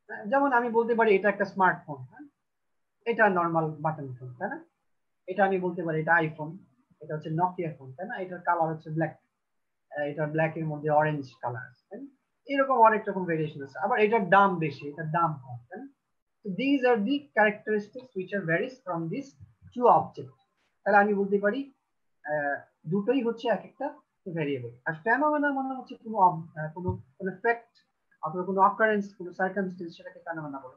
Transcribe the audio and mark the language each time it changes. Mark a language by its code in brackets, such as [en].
[bn] যেমন আমি বলতে পারি এটা একটা স্মার্টফোন, হ্যাঁ, এটা নর্মাল বাটন ফোন, তাই না? এটা আমি বলতে পারি এটা আইফোন, এটা হচ্ছে নকিয়া ফোন, তাই না? এটার কালার হচ্ছে ব্ল্যাক, এটা ব্ল্যাকের মধ্যে অরেঞ্জ কালার আছে, তাই না? এরকম অনেক রকম ভেরিয়েশন আছে। আবার এটার দাম বেশি, এটার দাম কম, তাই না? [en] So these are the characteristics which are varies from this two object. [bn] তাহলে আমি বলতে পারি দুটোই হচ্ছে এক একটা ভেরিয়েবল। আর ফেনোমেনা মানে হচ্ছে কোনো কোনো এফেক্ট অথবা কোনো অকারেন্স কোনো সার্কামস্টেন্স, সেটাকে ফেনোমেনা বলে।